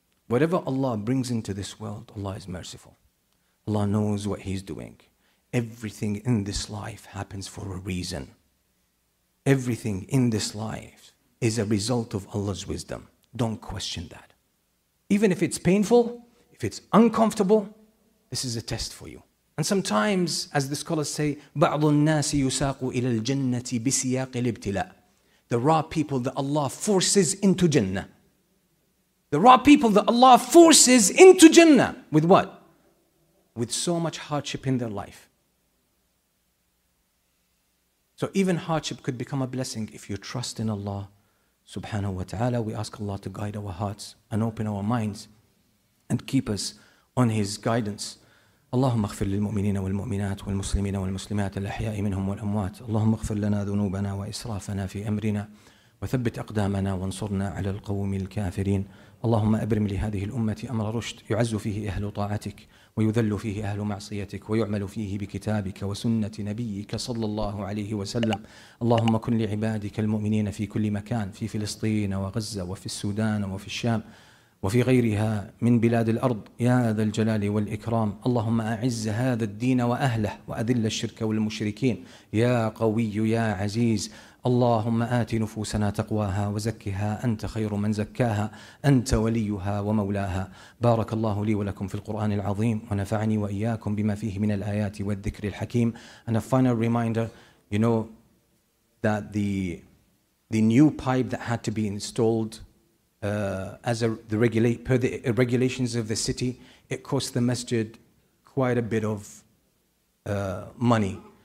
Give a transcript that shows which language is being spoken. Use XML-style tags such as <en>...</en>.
<en>Whatever Allah brings into this world, Allah is merciful. Allah knows what He's doing. Everything in this life happens for a reason. Everything in this life is a result of Allah's wisdom. Don't question that. Even if it's painful, if it's uncomfortable, this is a test for you. And sometimes, as the scholars say,</en> <ar>بَعْضُ النَّاسِ يُسَاقُ إِلَى الْجَنَّةِ بِسِيَاقِ الْإِبْتِلَاءِ.</ar> <en>There are people that Allah forces into Jannah. There are people that Allah forces into Jannah. With what? With so much hardship in their life. So even hardship could become a blessing if you trust in Allah subhanahu wa ta'ala. We ask Allah to guide our hearts and open our minds and keep us on His guidance.</en> <ar>اللهم اغفر للمؤمنين والمؤمنات والمسلمين والمسلمات الأحياء منهم والأموات اللهم اغفر لنا ذنوبنا وإسرافنا في أمرنا وثبت أقدامنا وانصرنا على القوم الكافرين اللهم أبرم لهذه الأمة أمر رشد يعز فيه أهل طاعتك ويذل فيه أهل معصيتك ويعمل فيه بكتابك وسنة نبيك صلى الله عليه وسلم اللهم كن لعبادك المؤمنين في كل مكان في فلسطين وغزة وفي السودان وفي الشام وفي غيرها من بلاد الأرض يا ذا الجلال والإكرام اللهم أعز هذا الدين وأهله وأذل الشرك والمشركين يا قوي يا عزيز اللهم آت نفوسنا تقواها وزكها أنت خير من زكاها أنت وليها ومولاها بارك الله لي ولكم في القرآن العظيم ونفعني وإياكم بما فيه من الآيات والذكر الحكيم.</ar> <en>And a final reminder, you know that the new pipe that had to be installed per the regulations of the city, it cost the masjid quite a bit of money.</en>